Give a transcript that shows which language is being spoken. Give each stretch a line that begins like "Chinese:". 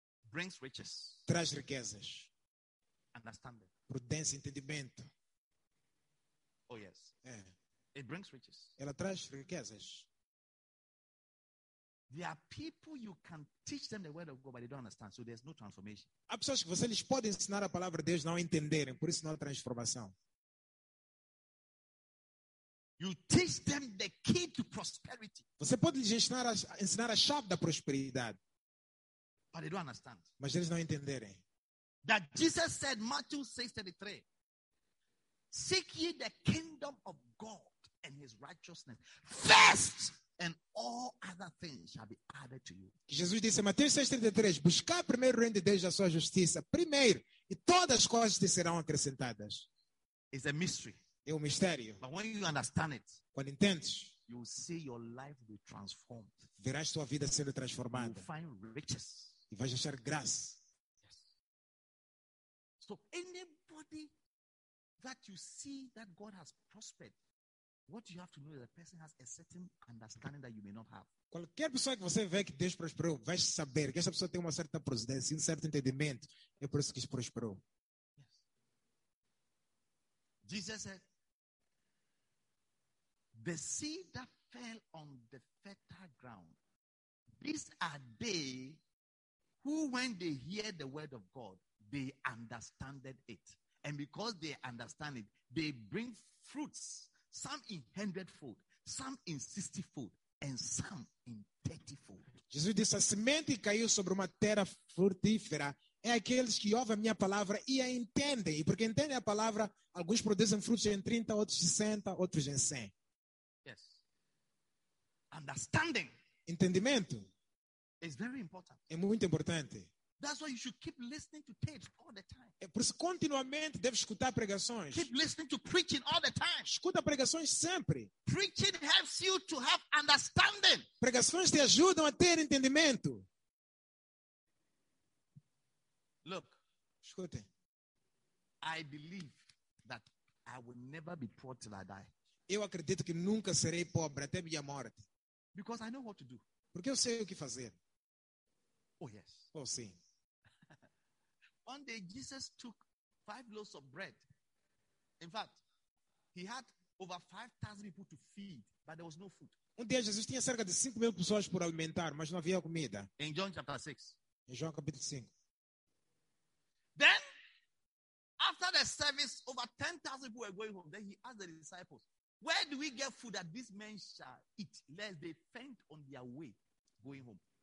English: Brings riches.
Portuguese: Traz riquezas.
English: Understanding.
Portuguese: Prudência, entendimento.
English: Oh yes.
Portuguese: É.
English: It brings riches.
Portuguese: Ela traz riquezas.
English: There are people you can teach them the word of God, but they don't understand, so there's no transformation.
Portuguese: Há pessoas que você lhes pode ensinar a palavra de Deus, não entenderem, por isso não há transformação.
English: You teach them the key to prosperity.
Portuguese: Você pode lhes ensinar a chave da prosperidade,
English: but they don't understand.
Portuguese: Mas eles não entenderem.
English: That Jesus said, Matthew 6:33, seek ye the kingdom of God and his righteousness first. And all other things shall be added to you.
Portuguese: Jesus disse em Mateus 6:33, buscar primeiro o reino de Deus e a sua justiça, primeiro, e todas as coisas te serão acrescentadas.
English: It's a mystery.
Portuguese: É um mistério.
English: But when you understand it,
Portuguese: quando entendes,
English: you will see your life be transformed.
Portuguese: Verás sua vida sendo transformada.
English: You find riches.
Portuguese: E vais achar graça.
English: Yes. So anybody that you see that God has prospered What you have to know is that a person has a certain understanding that you may not have.
Portuguese: Qualquer pessoa que você vê que Deus prosperou, vai saber que essa pessoa tem uma certa procedência, um certo entendimento. É por isso que se prosperou.
English: Yes. Jesus said, the seed that fell on the fertile ground, these are they who, when they hear the word of God, they understand it. And because they understand it, they bring fruits, some in hundredfold, some in sixtyfold, and some in thirtyfold.
Portuguese: Jesus disse, a semente caiu sobre uma terra frutífera, é aqueles que ouvem a minha palavra e a entendem. E porque entendem a palavra, alguns produzem frutos em 30, outros em 60, outros em 100.
English: Yes. Understanding.
Portuguese: Entendimento.
English: It's very important.
Portuguese: É muito importante.
English: That's why you should keep listening to tapes all the time.
Portuguese: É por isso que continuamente deve escutar pregações.
English: Keep listening to preaching all the time.
Portuguese: Escuta pregações sempre.
English: Preaching helps you to have understanding.
Portuguese: Pregações te ajudam a ter entendimento.
English: Look.
Portuguese: Escute.
English: I believe that I will never be poor till I die.
Portuguese: Eu acredito que nunca serei pobre até minha morte.
English: Because I know what to do.
Portuguese: Porque eu sei o que fazer.
English: Oh, yes.
Portuguese: Oh, sim.
English: One day, Jesus took 5 loaves of bread. In fact, he had over 5,000 people to feed, but there was no food.
Portuguese: Um dia, Jesus tinha cerca de 5 mil pessoas por alimentar, mas não havia comida.
English: In John chapter 6.
Portuguese: Em João capítulo 5.
English: Then, after the service, over 10,000 people were going home. Then he asked the disciples, where do we get food that these men shall eat, lest they faint on their way going home?